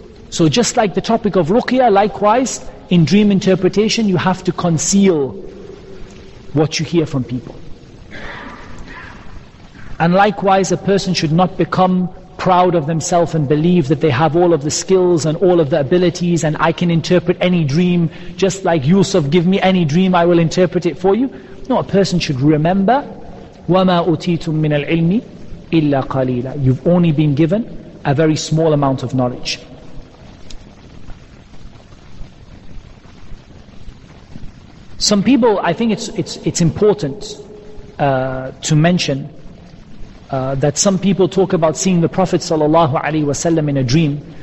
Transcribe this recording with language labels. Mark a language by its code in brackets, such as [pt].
[en] So just like the topic of ruqya, likewise, in dream interpretation, you have to conceal what you hear from people. And likewise, a person should not become proud of themselves and believe that they have all of the skills and all of the abilities and I can interpret any dream, just like Yusuf, give me any dream, I will interpret it for you. No, a person should remember, [ar] وَمَا أُتِيتُم مِّنَ الْعِلْمِ إِلَّا قَلِيلًا. [en] You've only been given a very small amount of knowledge. Some people, I think it's important to mention that some people talk about seeing the Prophet [ar] sallallahu alaihi wasallam [en] in a dream.